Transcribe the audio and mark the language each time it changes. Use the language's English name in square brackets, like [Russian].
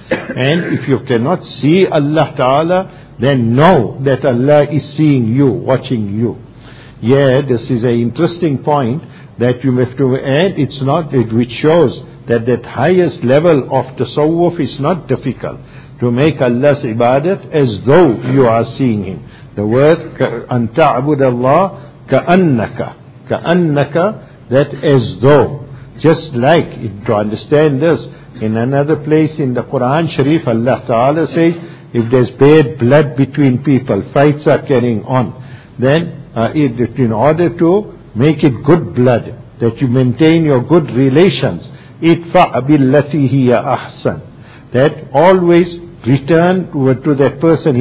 [English] And if you cannot see Allah Ta'ala, then know that Allah is seeing you, watching you. Yeah, this is an interesting point that you have to add. It's not, which shows that that highest level of tasawwuf is not difficult. To make Allah's ibadat as though you are seeing Him. The word, [Arabic] أَن تَعْبُدَ اللَّهَ كَأَنَّكَ. [English] كَأَنَّكَ, that as though. Just like, to understand this, in another place in the Quran Sharif, Allah Ta'ala says, if there's bad blood between people, fights are carrying on, then in order to make it good blood, that you maintain your good relations, [Arabic] اِدْفَعْ بِالَّتِي هِيَ أَحْسَنَ, [English] that always return to that person.